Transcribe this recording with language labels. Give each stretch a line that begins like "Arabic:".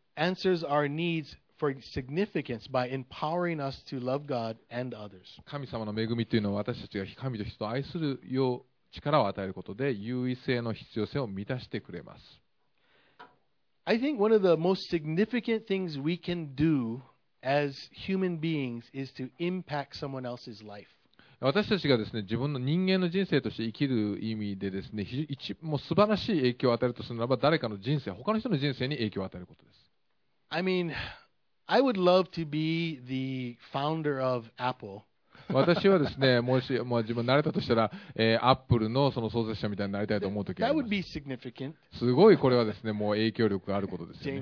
English: Answers our needs for significance by empowering us to love God and others.
Japanese: 神様の恵みというのは私たちが神と人を愛するよう力を与えることで優位性の必要性を満たしてくれます。
English: I think one of the most significant things we can do as human beings is to impact someone else's life.
Japanese: 私たちがですね、自分の人間の人生として生きる意味でですね、もう素晴らしい影響を与えるとするならば、誰かの人生、他の人の人生に影響を与えることです。
English: I mean, I would love to be the founder of Apple.
Japanese: 私はですね、もしもう自分になれたとしたら、Apple のその創設者みたいになりたいと思うときは、
English: That would be significant.
Japanese: すごいこれはですね、もう影響力があることですよね。